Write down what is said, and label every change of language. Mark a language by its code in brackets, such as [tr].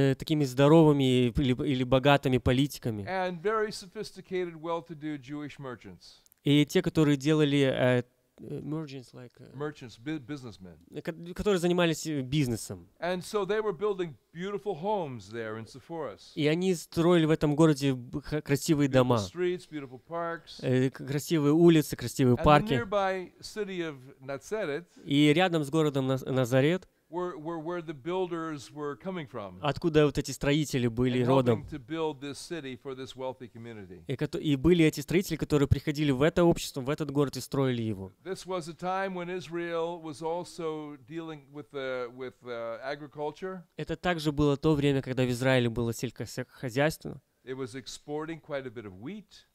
[ru] такими здоровыми или богатыми политиками, [en] and very sophisticated, well-to-do Jewish merchants, [ru] и те, которые делали [en] merchants, like merchants, businessmen, [ru] которые занимались бизнесом, [en] and so they were building beautiful homes there in Sepphoris. [ru] И они строили в этом городе красивые дома, [en] streets, beautiful parks, [ru] красивые улицы, красивые парки, [en] and the nearby city of Nazareth, [ru] и рядом с городом Назарет. [en] Where the builders were coming from. [ru] Откуда вот эти строители были родом? [en] To build this city for this wealthy community. [ru] И были эти строители, которые приходили в это общество, в этот город и строили его. [en] This was a time when Israel was also dealing with agriculture. [ru] Это также было то время, когда в Израиле было сельскохозяйство. [en] It was exporting quite a bit of wheat.